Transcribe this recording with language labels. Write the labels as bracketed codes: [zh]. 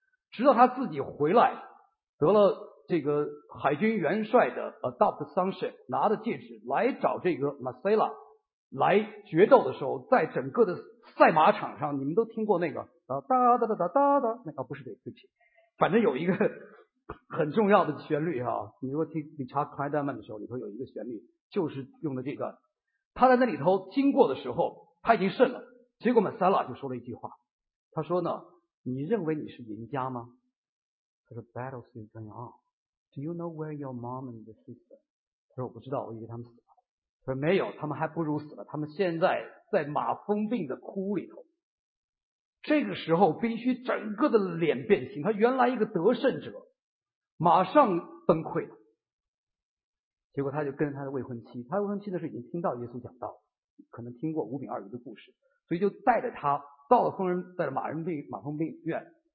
[zh] 直到他自己回来，得了这个海军元帅的 [en] adopt sonship， [zh] 拿着戒指来找这个 Masala 来决斗的时候，在整个的赛马场上，你们都听过那个哒哒哒哒哒哒哒，那个不是，对不起，反正有一个很重要的旋律哈、啊。你如果听理查克莱德曼的时候，里头有一个旋律就是用的这个。他在那里头经过的时候，他已经胜了。结果 Masala 就说了一句话，他说呢：“你认为你是赢家吗？” 他说 [en] ：“Battle still going on. Do you know where your mom and the sister？” [zh] 他说：“我不知道，我以为他们死了。” 他说：“没有，他们还不如死了，他们现在在马蜂病的窟里头。” 这个时候必须整个的脸变形，他原来一个得胜者马上崩溃了。结果他就跟他的未婚妻，他未婚妻的时候已经听到耶稣讲道，可能听过五饼二鱼的故事，所以就带着他到了疯人，带着马蜂病院。